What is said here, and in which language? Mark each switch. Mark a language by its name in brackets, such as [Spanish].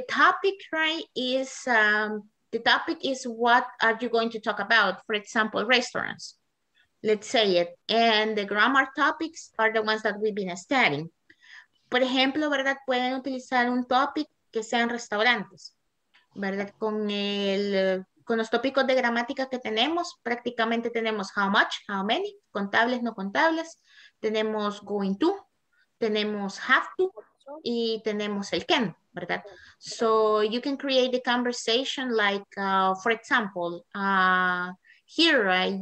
[English] The topic is what are you going to talk about? For example, restaurants, let's say it. And the grammar topics are the ones that we've been studying. [Spanish] Por ejemplo, ¿verdad? Pueden utilizar un topic que sean restaurantes, ¿verdad? Con los tópicos de gramática que tenemos, prácticamente tenemos how much, how many, contables, no contables. Tenemos going to, tenemos have to, y tenemos el can, ¿verdad? [English] So you can create the conversation like, for example, here, right?